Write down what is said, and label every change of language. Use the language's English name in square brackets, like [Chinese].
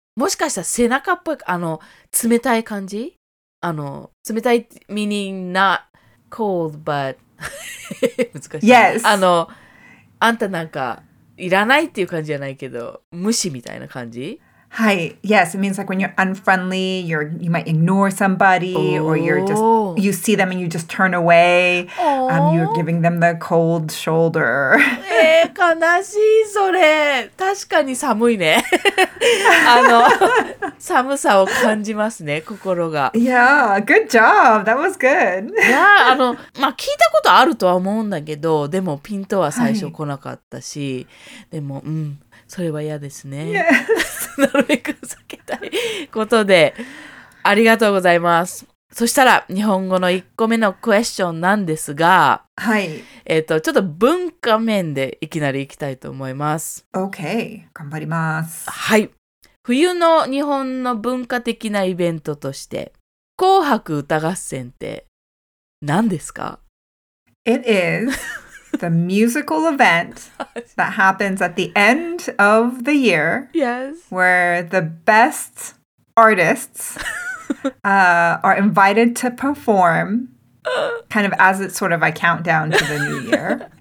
[Japanese] もしかしたら背中っぽい、あの、冷たい感じ? あの、冷たい [English] meaning not cold, but... [Japanese] 難しい。 [English] Yes! [Japanese] あの、あんたなんかいらないっていう感じじゃないけど、無視みたいな感じ? はい。 [English] Yes, it means like when you're unfriendly, you might ignore somebody, or you see them and you just turn away. You're giving them the cold shoulder. [Japanese] 悲しいそれ。確かに寒いね。あの、寒さを感じますね、心が。 [English] Yeah, good job. That was good. [Japanese] yeah, あの、まあ、聞いたことあるとは思うんだけど、でもピントは最初来なかったし、はい、でも、うん。それは嫌ですね。 [English] Yes. [Japanese] なるべく避けたいことで、ありがとうございます。そしたら、日本語の1個目のクエスチョンなんですが、はい。ちょっと文化面でいきなりいきたいと思います。 OK。 頑張ります。はい。冬の日本の文化的なイベントとして、紅白歌合戦って何ですか? [English] It is... The musical event that happens at the end of the year. Yes. Where the best artists are invited to perform kind of as it's sort of a countdown to the new year.